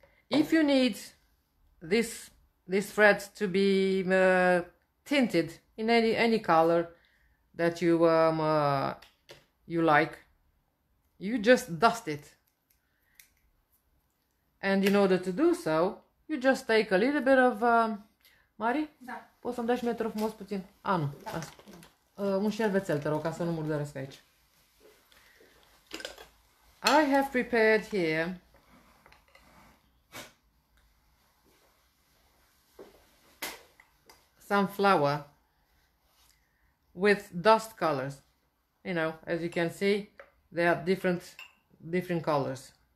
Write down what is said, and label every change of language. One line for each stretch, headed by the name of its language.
English: If you need this thread to be tinted in any color that you like, you just dust it. And in order to do so, you just take a little bit of Mari?
Romanian: Da. Poți să-mi dai și mie te rog frumos puțin? A, nu. Da. Un șervețel, te rog, ca să nu murdăresc aici.
English: I have prepared here some flour with dust colors. You know, as you can see, they are different colors.